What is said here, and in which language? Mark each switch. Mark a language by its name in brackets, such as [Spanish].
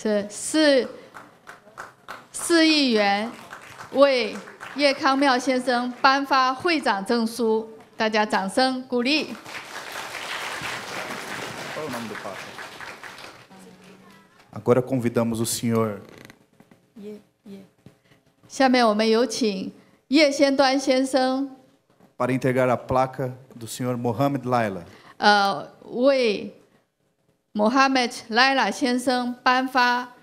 [Chinese] 是市议员为叶康庙先生颁发会长证书，大家掌声鼓励。 [Portuguese] Agora convidamos o senhor. [Chinese] 下面我们有请叶先端先生。 [Portuguese] Para entregar a placa do senhor Mohamed Laila. [Chinese] 为 Mohamed Laila 先生颁发。